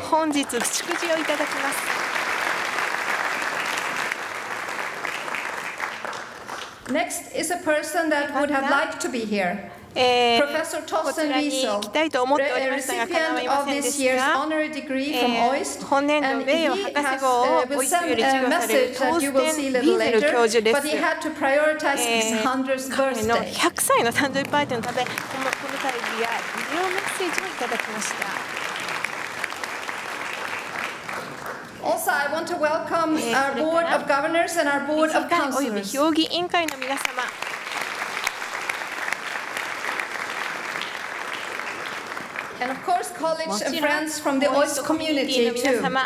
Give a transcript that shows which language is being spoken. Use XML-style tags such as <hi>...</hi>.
<ja>本日祝辞をいただきます。</ja> <en>Next is a person that would have liked to be here. Professor Tosen Riso, recipient of this year's honorary degree from OIST, and he will send a message that you will see a little later, but he had to prioritize his 100th birthday.</en> <ja>100歳の誕生日パーティーのため、この会議やビデオメッセージをいただきました。</ja> <en>Also, I want to welcome our Board of Governors and our Board of Councilors.</en> <ja>評議委員会の皆様。</ja> <en>And of course, college and friends from the OIST community too.</en>